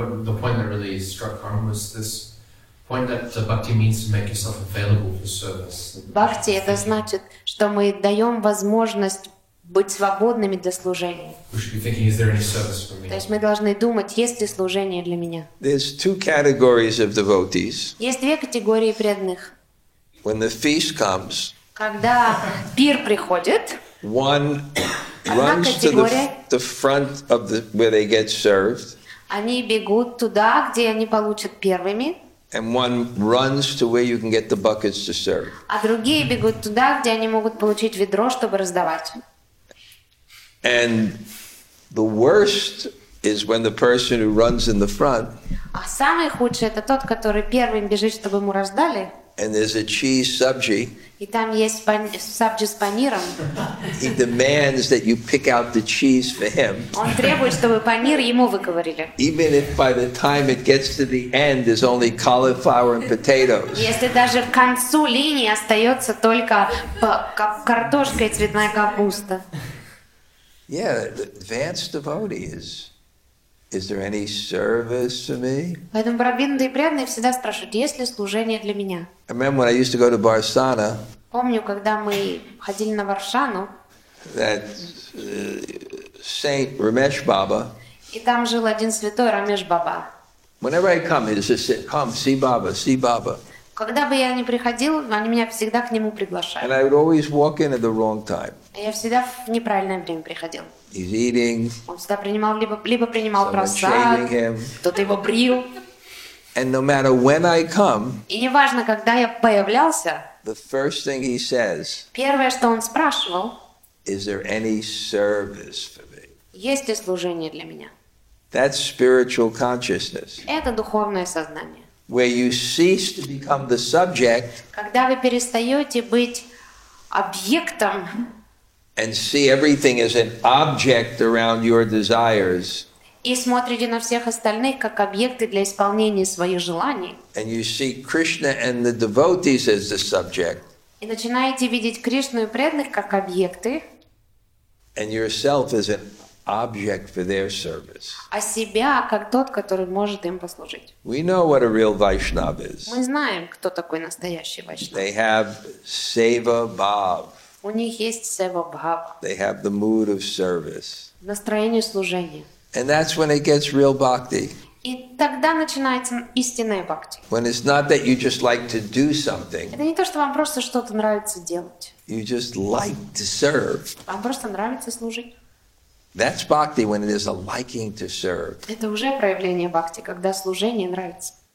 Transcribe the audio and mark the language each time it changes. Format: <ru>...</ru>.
<en>The point that really struck Karma was this point that the bhakti means to make yourself available for service.</en> <ru>Bhakti, это значит, что мы даем возможность быть свободными для служения.</ru> <en>We should be thinking, is there any service for me?</en> <ru>То есть мы должны думать, есть ли служение для меня.</ru> <en>There's two categories of devotees.</en> <ru>Есть две категории преданных.</ru> <en>When the feast comes.</en> <ru>Когда пир приходит.</ru> <en>One runs to the front of the where they get served.</en> <ru>Они бегут туда, где они получат первыми.</ru> <en>And one runs to where you can get the buckets to serve.</en> <ru>А другие бегут туда, где они могут получить ведро, чтобы раздавать.</ru> <en>And the worst is when the person who runs in the front.</en> <ru>А самый худший это тот, который первым бежит, чтобы ему раздали.</ru> <en>And there's a cheese subji.</en> <ru>И там есть сабджи с паниром.</ru> <en>He demands that you pick out the cheese for him.</en> <ru>Он требует, чтобы панир ему выковырили.</ru> <en>Even if by the time it gets to the end, there's only cauliflower and potatoes.</en> <ru>Если даже к концу линии остается только картошка и цветная капуста.</ru> <en>Yeah, the advanced devotee is. Is there any service for me?</en> <ru>Поэтому Прабинда и Прядные всегда спрашивают, есть ли служение для меня?</ru> <en>I remember when I used to go to Barsana.</en> <ru>Помню, когда мы ходили на Варшану.</ru> <en>That Saint Ramesh Baba.</en> <ru>И там жил один святой Рамеш Баба.</ru> <en>Whenever I come, he says, "Come, see Baba, see Baba."</en> <ru>Когда бы я ни приходил, они меня всегда к нему приглашали.</ru> <en>And I would always walk in at the wrong time.</en> <ru>Я всегда в неправильное время приходил.</ru> <en>He's eating.</en> <ru>Он всегда принимал либо принимал просад, кто-то его брил.</ru> <en>And no matter when I come.</en> <ru>И неважно, когда я появлялся.</ru> <en>The first thing he says.</en> <ru>Первое, что он спрашивал.</ru> <en>Is there any service for me?</en> <ru>Есть ли служение для меня?</ru> <en>That's spiritual consciousness.</en> <ru>Это духовное сознание.</ru> <en>Where you cease to become the subject.</en> <ru>Когда вы перестаете быть объектом.</ru> <en>And see everything as an object around your desires.</en> <ru>И смотрите на всех остальных как объекты для исполнения своих желаний.</ru> <en>And you see Krishna and the devotees as the subject.</en> <ru>И начинаете видеть Кришну и преданных как объекты.</ru> <en>And yourself as an object for their service.</en> <ru>А себя как тот, который может им послужить.</ru> <en>We know what a real Vaishnava is.</en> <ru>Мы знаем, кто такой настоящий Вайшнав.</ru> <en>They have seva bhav.</en> <ru>У них есть seva bhav.</ru> <en>They have the mood of service.</en> <ru>Настроение служения.</ru> <en>And that's when it gets real bhakti.</en> <ru>И тогда начинается истинная бхакти.</ru> <en>When it's not that you just like to do something.</en> <ru>Это не то, что вам просто что-то нравится делать.</ru> <en>You just like to serve.</en> <ru>Вам просто нравится служить.</ru> <en>That's bhakti when it is a liking to serve.</en> <ru>Это уже проявление бхакти, когда служение нравится.</ru>